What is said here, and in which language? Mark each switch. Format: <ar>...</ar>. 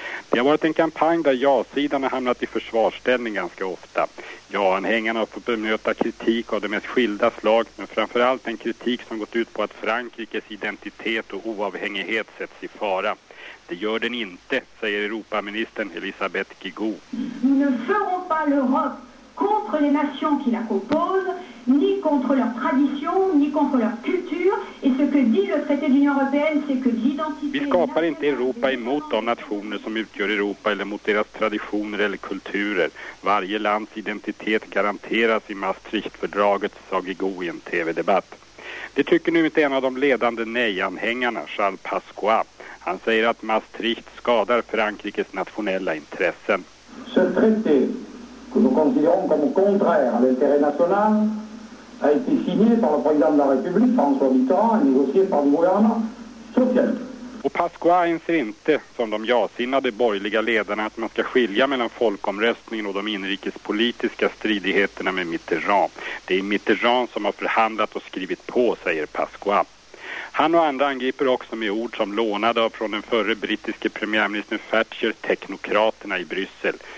<sv>Det har varit en kampanj där ja-sidan har hamnat i försvarsställning ganska ofta. Ja-anhängarna har fått bemöta kritik av de mest skilda slag, men framförallt en kritik som gått ut på att Frankrikes identitet och oavhängighet sätts i fara. Det gör den inte, säger Europaministern Elisabeth Guigou.</sv> <fr>Nous ne ferons pas l'Europe contre les nations qui la composent, ni contre leur tradition, ni contre leur culture. Et ce que dit le traité de l'Union européenne, c'est que l'identité...</fr> <sv>Vi skapar inte Europa emot de nationer som utgör Europa eller mot deras traditioner eller kulturer. Varje lands identitet garanteras i Maastrichtfördraget, sa Guigou i en tv-debatt. Det tycker nu inte en av de ledande nej-anhängarna, Charles Pasqua. Han säger att Maastricht skadar Frankrikes nationella intressen.</sv> <fr>Ce traité que nous considérons comme contraire à l'intérêt national a été signé par le président de la République François Mitterrand et négocié par le gouvernement social.</fr> <sv>Och Pasqua inser inte, som de ja-sinnade borgerliga ledarna, att man ska skilja mellan folkomröstningen och de inrikespolitiska stridigheterna med Mitterrand. Det är Mitterrand som har förhandlat och skrivit på, säger Pasqua. Han och andra angriper också med ord som lånade från den förre brittiske premiärministern Thatcher, teknokraterna i Bryssel.</sv>